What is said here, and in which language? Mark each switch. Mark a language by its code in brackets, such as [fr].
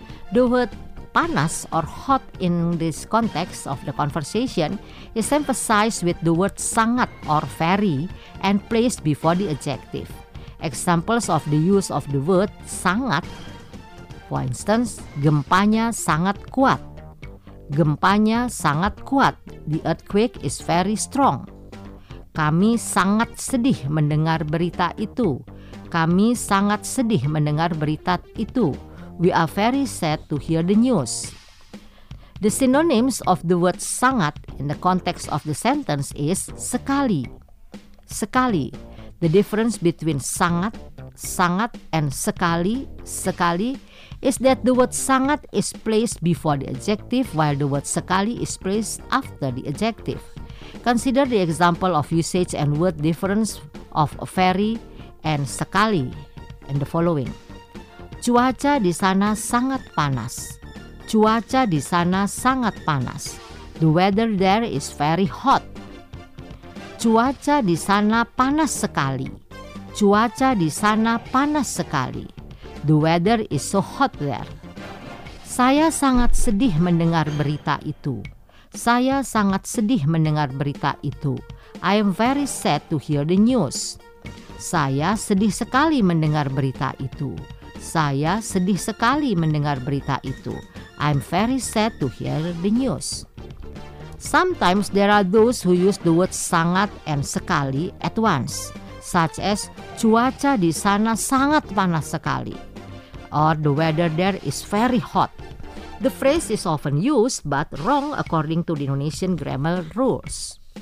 [en] The word panas or hot in this context of the conversation is emphasized with the word sangat or very and placed before the adjective. Examples of the use of the word sangat, for instance, [id] gempanya sangat kuat. Gempanya sangat kuat. [en] The earthquake is very strong. [id] Kami sangat sedih mendengar berita itu. Kami sangat sedih mendengar berita itu. [en] We are very sad to hear the news. The synonyms of the word sangat in the context of the sentence is sekali. Sekali. The difference between sangat, sangat, and sekali, sekali, is that the word sangat is placed before the adjective while the word sekali is placed after the adjective. Consider the example of usage and word difference of very and sekali in the following. [id] Cuaca di sana sangat panas. Cuaca di sana sangat panas. [en] The weather there is very hot. [id] Cuaca di sana panas sekali. Cuaca di sana panas sekali. [en] The weather is so hot there. [id] Saya sangat sedih mendengar berita itu. Saya sangat sedih mendengar berita itu. [en] I am very sad to hear the news. [id] Saya sedih sekali mendengar berita itu. Saya sedih sekali mendengar berita itu. [en] I'm very sad to hear the news. Sometimes there are those who use the word sangat and sekali at once, such as [id] cuaca di sana sangat panas sekali, [en] or the weather there is very hot. The phrase is often used but wrong according to the Indonesian grammar rules.